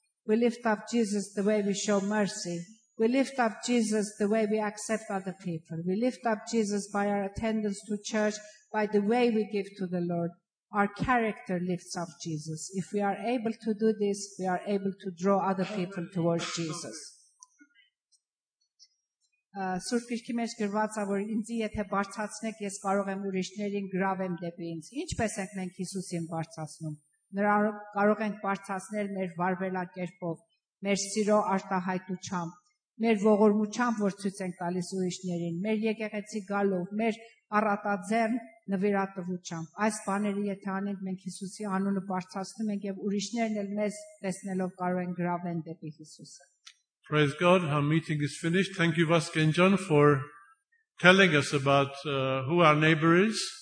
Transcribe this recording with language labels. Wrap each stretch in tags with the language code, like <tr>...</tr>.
<en>We lift up Jesus the way we show mercy. We lift up Jesus the way we accept other people. We lift up Jesus by our attendance to church, by the way we give to the Lord. Our character lifts up Jesus. If we are able to do this, we are able to draw other people towards Jesus.</en> <hy>Սուրբ գրքի մեջ գրված է, որ ինձ եթե բարձրացնեք, ես կարող եմ ուրիշներին գրավեմ դեպի ինձ։ Ինչպես ենք մենք Հիսուսին բարձրացնում։ Նրա կարող ենք բարձրացնել մեր վարվելակերպով, մեր սիրո արտահայտությամբ, մեր ողորմությամբ, որ ցույց ենք տալիս ուրիշներին, մեր եկեղեցի գալով, մեր առատաձեռն նվիրատվությամբ։ Այս բաները եթե անենք, մենք Հիսուսի անունը բարձրացնում ենք եւ ուրիշներն էլ մեզ տեսնելով կարող են գրավեն դեպի Հիսուսը։</hy> <en>Praise God, our meeting is finished. Thank you, Vasuki and John, for telling us about who our neighbor is.</en>